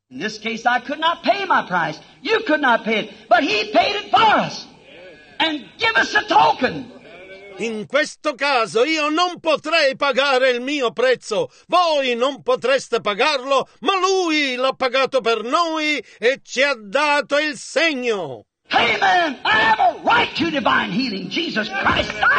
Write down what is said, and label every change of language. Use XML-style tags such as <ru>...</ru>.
<en>In this case I could not pay my price. You could not pay it. But he paid it for us. And give us a token. Hallelujah.</en> <it>In questo caso io non potrei pagare il mio prezzo. Voi non potreste pagarlo, ma lui l'ha pagato per noi e ci ha dato il segno. Amen!</it> <en>I have a right to divine healing, Jesus Christ!</en>